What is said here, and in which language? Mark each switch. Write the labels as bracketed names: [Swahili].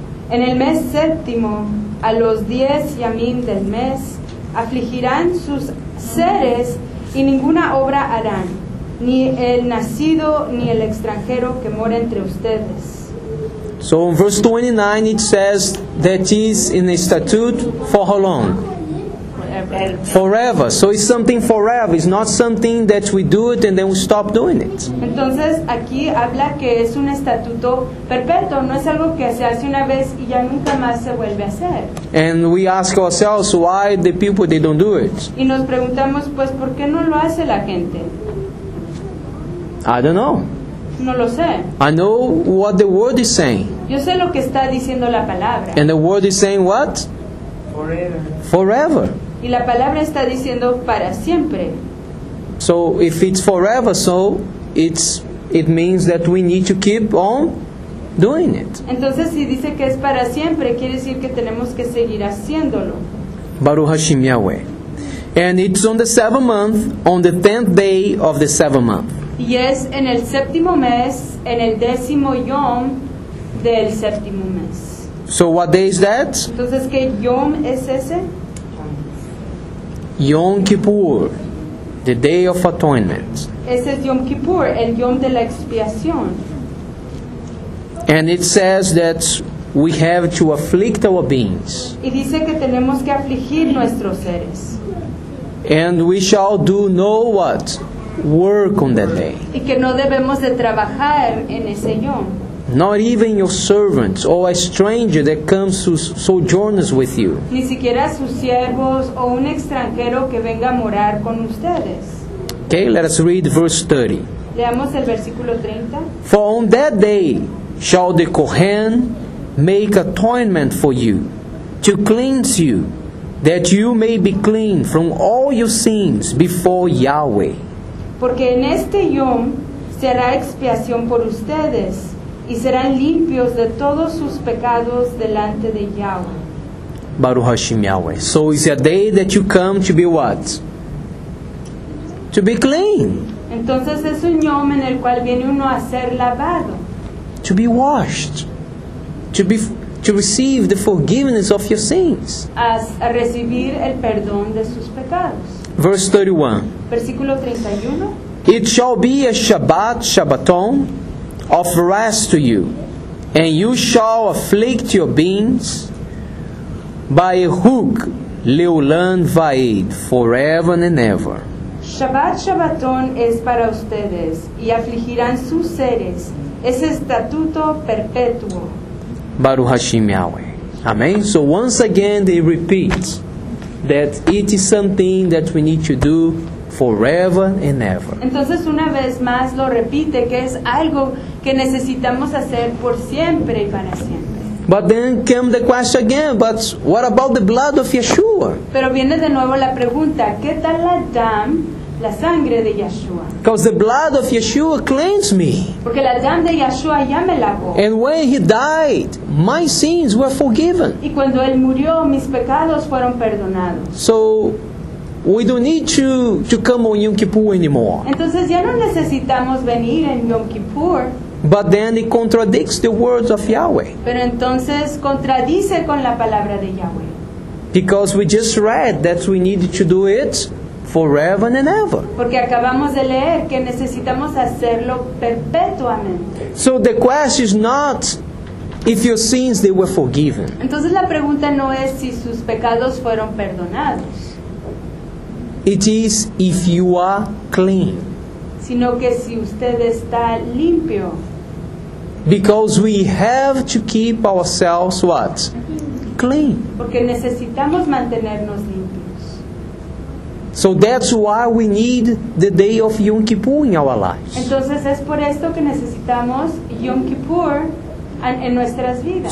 [Spanish] En el mes 7, a los 10 yamim del mes, afligirán sus seres y ninguna obra harán, ni el nacido ni el extranjero que mora entre ustedes. [English] So in verse 29 it says that is in a statute for how long? Forever. So it's something forever. It's not something that we do it and then we stop doing it. [Spanish] Entonces aquí habla que es un estatuto perpetuo. No es algo que se hace una vez y ya nunca más se vuelve a hacer. [English] And we ask ourselves why the people they don't do it. [Spanish] Y nos preguntamos pues por qué no lo hace la gente. [English] I don't know. [Spanish] No lo sé. [English] I know what the word is saying. [Spanish] Yo sé lo que está diciendo la palabra. [English] And the word is saying what? Forever. [Spanish] Y la palabra está diciendo para siempre. [English] So if it's forever, so it means that we need to keep on doing it. [Spanish] Entonces si dice que es para siempre, quiere decir que tenemos que seguir haciéndolo. [Hebrew] Baruch Hashem Yahweh. [English] And it's on the 7th month, on the 10th day of the 7th month. [Spanish] Y es en el 7th mes, en el 10º yom del 7th mes. [English] So what day is that? [Spanish] Entonces, ¿qué Yom es ese? [English] Yom Kippur, the Day of Atonement. [Spanish] Ese es Yom Kippur, el Yom de la expiación. [English] And it says that we have to afflict our beings. [Spanish] Y dice que tenemos que afligir nuestros seres. [English] And we shall do no what? Work on that day. [Spanish] Y que no debemos de trabajar en ese Yom. [English] Not even your servants or a stranger that comes to sojourners with you. [Spanish] Ni siquiera sus siervos o un extranjero que venga a morar con ustedes. [English] Okay, let us read verse 30. [Spanish] Leamos el versículo 30. [English] For on that day shall the Kohen make atonement for you, to cleanse you, that you may be clean from all your sins before Yahweh. [Spanish] Porque en este Yom será expiación por ustedes, y serán limpios de todos sus pecados delante de Yahweh. [Hebrew] Baruch Hashem Yahweh. [English] So it's a day that you come to be what? To be clean. [Spanish] Entonces es un yom en el cual viene uno a ser lavado. [English] To be washed. To receive the forgiveness of your sins. [Spanish] A recibir el perdón de sus pecados. [English] Verse 31. [Spanish] Versículo 31. [English] It shall be a Shabbat, Shabbaton, of rest to you, and you shall afflict your beings by a hook, [Hebrew] leolam vaed, [English] forever and ever. [Spanish] Shabbat Shabbaton es para ustedes y afligirán sus seres. Es estatuto perpetuo. [Hebrew] Baruch Hashem Yahweh. Amen. [English] So once again they repeat that it is something that we need to do forever and ever. [Spanish] Entonces una vez más lo repite que es algo que necesitamos hacer por siempre y para siempre. [English] But then came the question again, but what about the blood of Yeshua? [Spanish] Pero viene de nuevo la pregunta, ¿qué tal la dam, la sangre de Yeshua? [English] Because the blood of Yeshua cleansed me. [Spanish] Porque la dam de Yeshua ya me lavó. [English] And when he died, my sins were forgiven. [Spanish] Y cuando él murió, mis pecados fueron perdonados. [English] So we don't need to come on Yom Kippur anymore. [Spanish] Entonces ya no necesitamos venir en Yom Kippur. [English] But then it contradicts the words of Yahweh. [Spanish] Pero entonces contradice con la palabra de Yahweh. [English] Because we just read that we need to do it forever and ever. [Spanish] Porque acabamos de leer que necesitamos hacerlo perpetuamente. [English] So the question is not if your sins they were forgiven. [Spanish] Entonces la pregunta no es si sus pecados fueron perdonados. [English] It is if you are clean. [Spanish] Sino que si usted está limpio. [English] Because we have to keep ourselves what? Clean. [Spanish] Porque necesitamos mantenernos limpios. [English] So that's why we need the day of Yom Kippur in our lives. [Spanish] Entonces es por esto que necesitamos Yom Kippur en nuestras vidas.